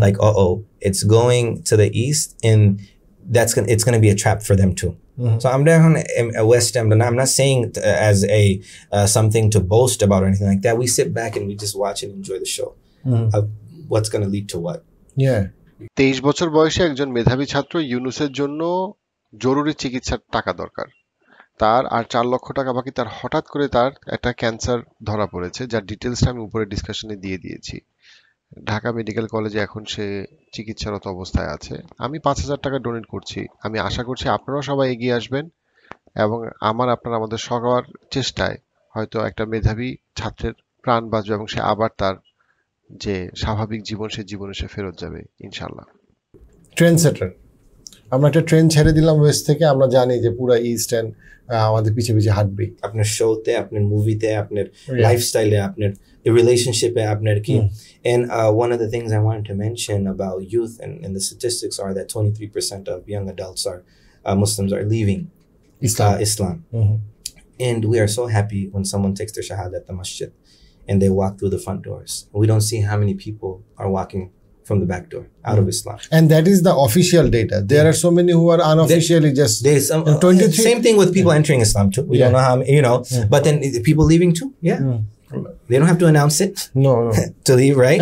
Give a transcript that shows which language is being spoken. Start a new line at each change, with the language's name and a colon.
English: Like, it's going to the East and it's going to be a trap for them too. Mm-hmm. So I'm not saying as a something to boast about or anything like that. We sit back and we just watch and enjoy the show. What's going to lead to what? Yeah.
Bangla: 23 বছর বয়সে একজন মেধাবী ছাত্র ইউনূসের জন্য জরুরি চিকিৎসার টাকা দরকার। তার আর 4 লক্ষ টাকা বাকি তার হঠাৎ করে তার একটা ক্যান্সার ধরা পড়েছে যার ডিটেইলসটা আমি উপরে ডিসকাশনে দিয়ে দিয়েছি। ঢাকা মেডিকেল কলেজে এখন সে চিকিৎসারত অবস্থায় আছে। আমি 5000 টাকা ডোনেট করছি। আমি আশা করছি আপনারা সবাই এগিয়ে আসবেন এবং আমাদের সবার চেষ্টায় হয়তো একটা মেধাবী ছাত্রের প্রাণ বাঁচবে এবং সে আবার তার যে স্বাভাবিক জীবন সে জীবনে সে ফেরত যাবে ইনশাআল্লাহ। ট্রেন্ডসেটার, আমরা একটা ট্রেন ছেড়ে দিলাম ওয়েস্ট থেকে, আমরা জানি যে পুরো ইস্ট এন্ড আমাদের পিছে পিছে হাঁটবে আপনার শোতে, আপনার মুভিতে, আপনার লাইফস্টাইলে, আপনার রিলেশনশিপে, আপনার কি।
English: And one of the things I want to mention about youth and the statistics are that 23% of young adults are Muslims are leaving Islam and we are so happy when someone takes the shahada at the masjid and they walk through the front doors. We don't see how many people are walking from the back door out of Islam. And that is the official data. There are so many who are unofficially same thing with people entering Islam too. We don't know how many, you know. Yeah. But then people leaving too, they don't have to announce it. No. To leave, right?